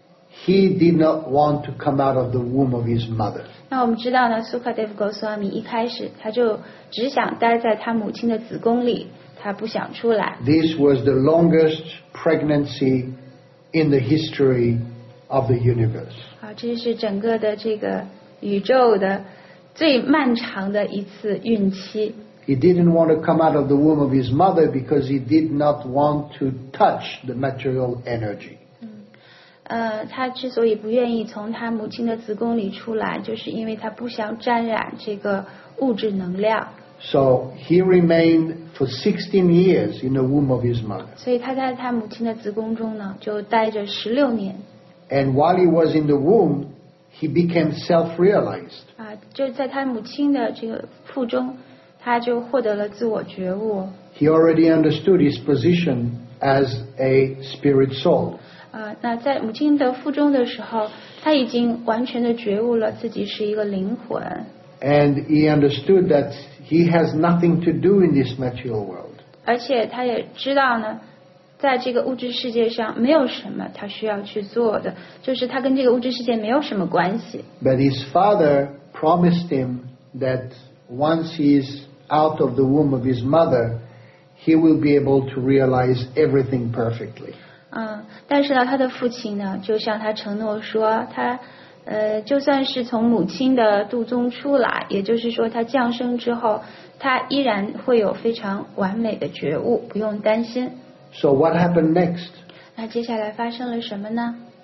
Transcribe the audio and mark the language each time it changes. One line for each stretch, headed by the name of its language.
English: He did not want to come out of the womb of his mother.
Chinese: 那我们知道呢 ，Sukadeva Goswami 一开始他就只想待在他母亲的子宫里，他不想出来。
English: This was the longest pregnancy in the history of the universe.
Chinese: 这是整个的这个宇宙的最漫长的一次孕期。
English: He didn't want to come out of the womb of his mother because he did not want to touch the material energy.
Chinese: 他之所以不愿意从他母亲的子宫里出来，就是因为他不想沾染这个物质能量。
English: So he remained for 16 years in the womb of his mother.
Chinese: 所以他在他母亲的子宫中呢，就待着16年。
English: And while he was in the womb, he became self-realized.
Chinese: 就在他母亲的这个腹中，他就获得了自我觉悟。
English: He already understood his position as a spirit soul.
Chinese: 那在母亲的腹中的时候，他已经完全的觉悟了自己是一个灵魂。
English: And he understood that he has nothing to do in this material world.
Chinese: 而且他也知道呢，在这个物质世界上没有什么他需要去做的，就是他跟这个物质世界没有什么关系。
English: But his father promised him that once he is out of the womb of his mother, he will be able to realize everything perfectly.
Chinese: 但是呢，他的父亲呢，就向他承诺说他。就算是从母亲的肚中出来，也就是说他降生之后，他依然会有非常完美的觉悟，不用担心。
English: So what happened next?
Chinese: 那接下来发生了什么呢？